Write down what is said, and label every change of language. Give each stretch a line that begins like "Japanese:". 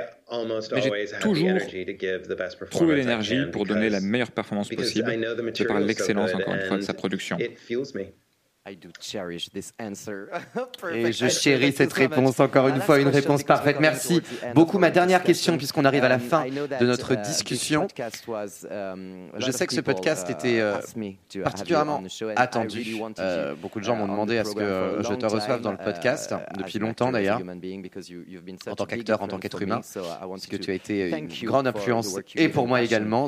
French: j'ai toujours trouvé l'énergie pour donner la meilleure performance possible de par l'excellence, encore une fois, de sa production.
English: I do cherish this answer.
French: Et je chéris cette réponse, encore une fois, une réponse parfaite. Merci beaucoup. Ma dernière question, puisqu'on arrive à la fin de notre discussion. Je sais que ce podcast était particulièrement attendu. Beaucoup de gens m'ont demandé à ce que je te reçoive dans le podcast, depuis longtemps d'ailleurs, en tant qu'acteur, en tant qu'être humain, parce que tu as été une grande influence, et pour moi également.